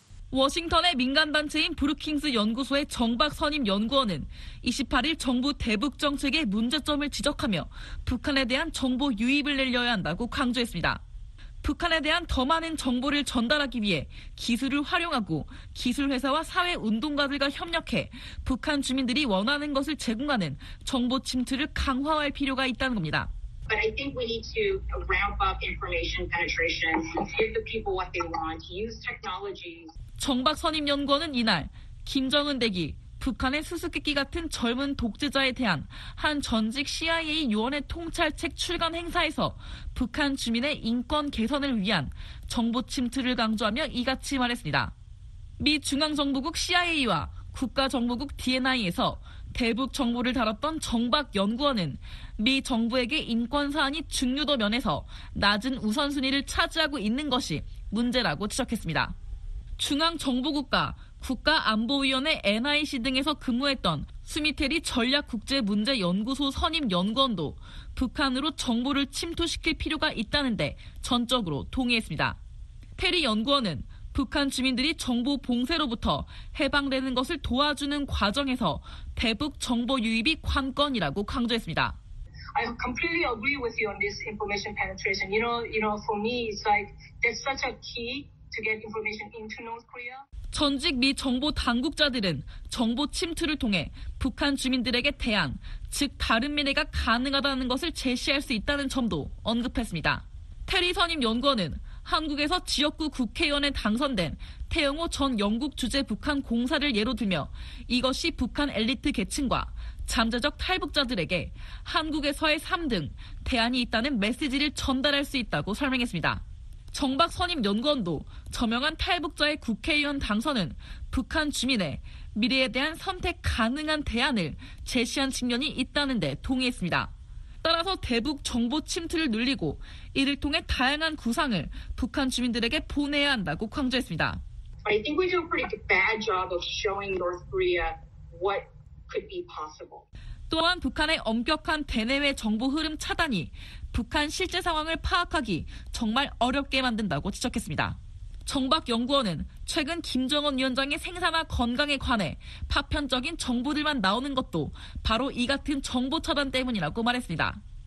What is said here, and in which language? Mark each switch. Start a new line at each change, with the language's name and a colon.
Korean: 워싱턴의 민간단체인 브루킹스 연구소의 정박 선임 연구원은 28일 정부 대북 정책의 문제점을 지적하며 북한에 대한 정보 유입을 늘려야 한다고 강조했습니다. 북한에 대한 더 많은 정보를 전달하기 위해 기술을 활용하고 기술회사와 사회운동가들과 협력해 북한 주민들이 원하는 것을 제공하는 정보 침투를 강화할 필요가 있다는 겁니다.
English: But I think we need to ramp up information penetration, give the people what they want, use technologies.
Korean: 정박 선임 연구원은 이날 김정은 대기, 북한의 수수께끼 같은 젊은 독재자에 대한 한 전직 CIA 요원의 통찰책 출간 행사에서 북한 주민의 인권 개선을 위한 정보 침투를 강조하며 이같이 말했습니다. 미 중앙정보국 CIA와 국가정보국 DNI에서 대북 정보를 다뤘던 정박 연구원은 미 정부에게 인권 사안이 중요도 면에서 낮은 우선순위를 차지하고 있는 것이 문제라고 지적했습니다. 중앙정보국과 국가안보위원회 NIC 등에서 근무했던 수미테리 전략국제문제연구소 선임연구원도 북한으로 정보를 침투시킬 필요가 있다는데 전적으로 동의했습니다. 테리 연구원은 북한 주민들이 정보 봉쇄로부터 해방되는 것을 도와주는 과정에서 대북 정보 유입이 관건이라고 강조했습니다.
English: I completely agree with you on this information penetration. You know, for me, it's like that's such a key to get information into North Korea.
Korean: 전직 미 정보 당국자들은 정보 침투를 통해 북한 주민들에게 대안, 즉 다른 미래가 가능하다는 것을 제시할 수 있다는 점도 언급했습니다. 테리 선임 연구원은 한국에서 지역구 국회의원에 당선된 태영호 전 영국 주재 북한 공사를 예로 들며 이것이 북한 엘리트 계층과 잠재적 탈북자들에게 한국에서의 삶 등 대안이 있다는 메시지를 전달할 수 있다고 설명했습니다. 정박 선임 연구원도 저명한 탈북자의 국회의원 당선은 북한 주민의 미래에 대한 선택 가능한 대안을 제시한 측면이 있다는 데 동의했습니다. 따라서 대북 정보 침투를 늘리고 이를 통해 다양한 구상을 북한 주민들에게 보내야 한다고 강조했습니다.
English: I think we do a pretty bad job of showing North Korea what could be possible.
Korean: 또한 북한의 엄격한 대내외 정보 흐름 차단이 북한 실제 상황을 파악하기 정말 어렵게 만든다고 지적했습니다. 정박 연구원은 최근 김정은 위원장의 생사나 건강에 관해 파편적인 정보들만 나오는 것도 바로 이 같은 정보 차단 때문이라고 말했습니다.